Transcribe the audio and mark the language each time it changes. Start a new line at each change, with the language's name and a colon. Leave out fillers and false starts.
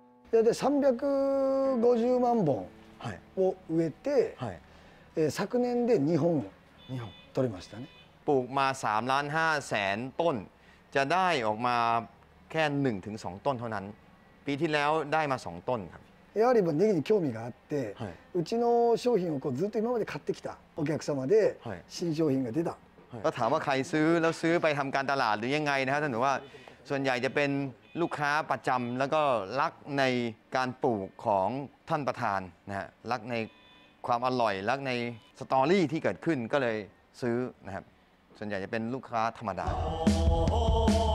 Thai: แต่350,000 บาท
Japanese: を植えて、はい、昨年で2本取れましたね。
Thai: ปลูกมา3,500,000 ต้นจะได้ออกมาแค่1-2 ต้นเท่านั้นปีที่แล้วได้มา2ต้นครับ
Japanese: やはりネギに興味があって、はい、うちの商品をこうずっと今まで買ってきたお客様で、はい、新商品が出た。
Thai: ก็ถามว่าใครซื้อแล้วซื้อไปทำการตลาดหรือยังไงนะครับท่านหนูว่าส่วนใหญ่จะเป็นลูกค้าประจำแล้วก็รักในการปลูกของท่านประธานนะฮะรักในความอร่อยรักในสตอรี่ที่เกิดขึ้นก็เลยซื้อนะครับส่วนใหญ่จะเป็นลูกค้าธรรมดา